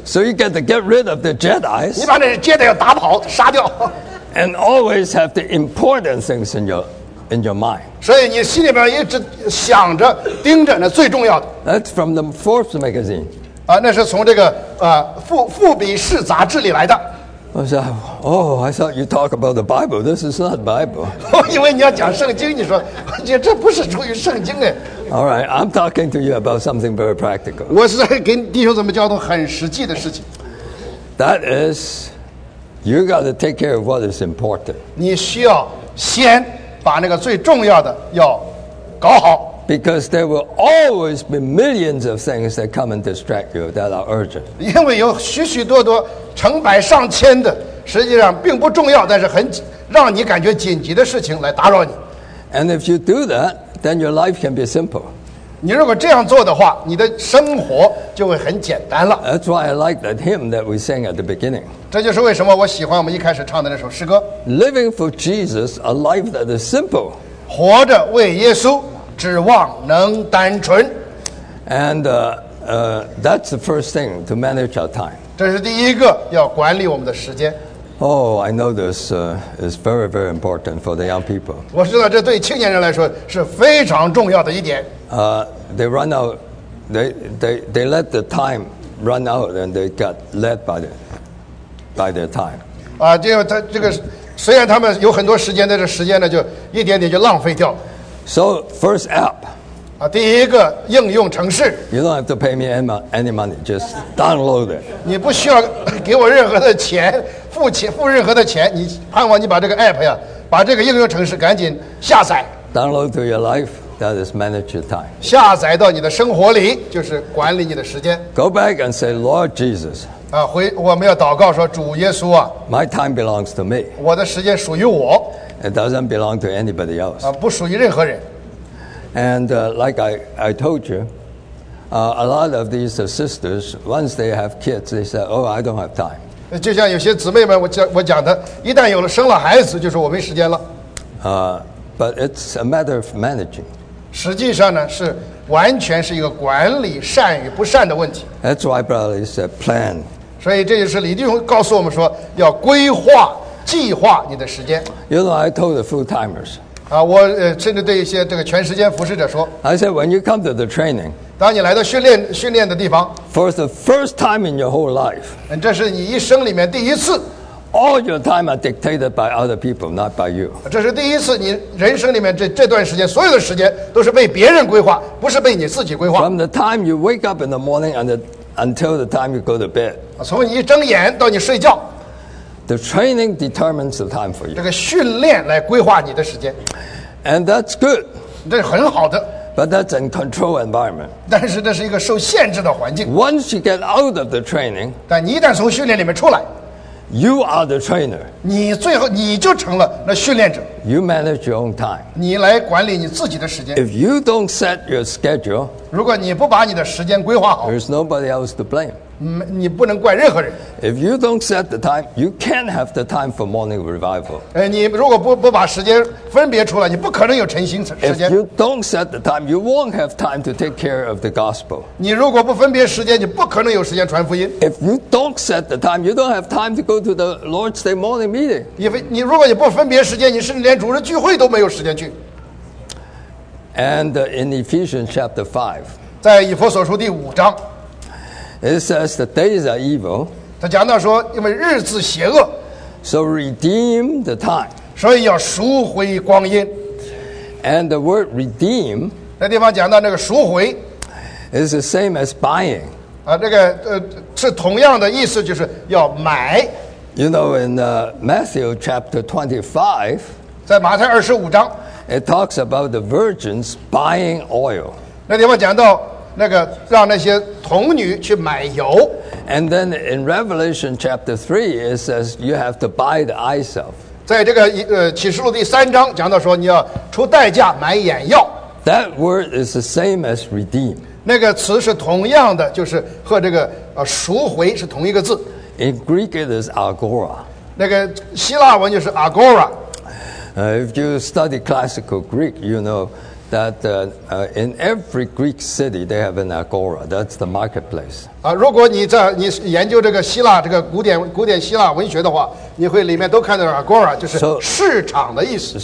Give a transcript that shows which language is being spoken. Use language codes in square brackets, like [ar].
[en] So you get to get rid of the Jedi's. [zh] 你把那些 Jedi 要打跑杀掉。 [en] And always have the important things in your mind. [zh] 所以你心里边一直想着盯着那最重要的。 [en] That's from the Forbes magazine. [zh] 那是从这个富比士杂志里来的。我说 [en] ，Oh, I thought you talk about the Bible. This is not Bible. [zh] 我以为你要讲圣经，你说，这不是出于圣经哎。 [en] All right, I'm talking to you about something very practical. [zh] 我是在跟弟兄怎么交通很实际的事情。 [en] That is, you got to take care of what is important. [zh] 你需要先把那个最重要的要搞好。 [en] Because there will always be millions of things that come and distract you that are urgent. [zh] 因为有许许多多成百上千的，实际上并不重要，但是很让你感觉紧急的事情来打扰你。 [en] And if you do that, then your life can be simple. [zh] 你如果这样做的话，你的生活就会很简单了。 [en] That's why I like that hymn that we sang at the beginning. [zh] 这就是为什么我喜欢我们一开始唱的那首诗歌。 [en] Living for Jesus, a life that is simple. [zh] 活着为耶稣。指望能单纯 [en] and that's the first thing to manage our time. [zh] 这是第一个要管理我们的时间。 [en] Oh, I know this is very, very important for the young people. [zh] 我知道这对青年人来说是非常重要的一点。 [en] They run out, they let the time run out, and they got led by their time. [zh] 这个虽然他们有很多时间，但是时间呢就一点点就浪费掉。 [en] So first app, [zh] 第一个应用程式。 [en] You don't have to pay me any money, just download it. [zh] 你不需要给我任何的钱，付任何的钱。你盼望你把这个 app 呀，把这个应用程式赶紧下载。 [en] Download to your life, that is manage your time. [zh] 下载到你的生活里，就是管理你的时间。 [en] Go back and say, Lord Jesus. [zh] 我们要祷告说，主耶稣啊。 [en] My time belongs to me. [zh] 我的时间属于我。 [en] It doesn't belong to anybody else. [zh] 不属于任何人。 [en] And like I told you, a lot of these sisters, once they have kids, they say, "Oh, I don't have time." [zh] 就像有些姊妹们，我讲的，一旦有了生了孩子，就是我没时间了。 [en] But it's a matter of managing. [zh] 实际上呢，是完全是一个管理善与不善的问题。 [en] That's why Brother Lee said plan. [zh] 所以这就是李弟兄告诉我们说，要规划。计划你的时间。 [en] You know, I told the full timers. [zh] 我甚至对一些这个全时间服侍者说。 [en] I said, when you come to the training. [zh] 当你来到训练的地方。 [en] For the first time in your whole life. [zh] 这是你一生里面第一次。 [en] All your time are dictated by other people, not by you. [zh] 这是第一次，你人生里面这段时间，所有的时间都是被别人规划，不是被你自己规划。 [en] From the time you wake up in the morning and until the time you go to bed. [zh] 从你一睁眼到你睡觉。 [en] The training determines the time for you. [zh] 这个训练来规划你的时间。 [en] And that's good. [zh] 这是很好的。 [en] But that's a control environment. [zh] 但是这是一个受限制的环境。 [en] Once you get out of the training, [zh] 但你一旦从训练里面出来， [en] you are the trainer. [zh] 你最后你就成了那训练者。 [en] You manage your own time. [zh] 你来管理你自己的时间。 [en] If you don't set your schedule, [zh] 如果你不把你的时间规划好， [en] there's nobody else to blame. [zh] 你不能怪任何人。 [en] If you don't set the time, you can't have the time for morning revival. [zh] 你如果不把时间分别出来，你不可能有晨兴时间。 [en] If you don't set the time, you won't have time to take care of the gospel. [zh] 你如果不分别时间，你不可能有时间传福音。 [en] If you don't set the time, you don't have time to go to the Lord's Day morning meeting. [zh] 你如果你不分别时间，你甚至连主日聚会都没有时间去。 [en] And in Ephesians chapter 5, [zh] 在以弗所书第五章。 [en] It says the days are evil. [zh] 他讲到说，因为日子邪恶。 [en] So redeem the time. [zh] 所以要赎回光阴。 [en] And the word redeem. [zh] 那地方讲到那个赎回。 [en] Is the same as buying. [zh] 这个是同样的意思，就是要买。 [en] You know, in Matthew chapter 25. [zh] 在马太二十五章。 [en] It talks about the virgins buying oil. [zh] 那地方讲到。那个让那些童女去买油。 [en] And then in Revelation chapter 3, it says you have to buy the eye salve. [zh] 在这个启示录第三章讲到说你要出代价买眼药。 [en] That word is the same as redeem. [zh] 那个词是同样的，就是和这个赎回是同一个字。 [en] In Greek it is agora. [zh] 那个希腊文就是 agora. [en] If you study classical Greek, you know,that in every Greek city they have an agora. That's the marketplace. [zh] 如果你研究这个希腊这个古典希腊文学的话，你会里面都看到 agora， 就是市场的意思。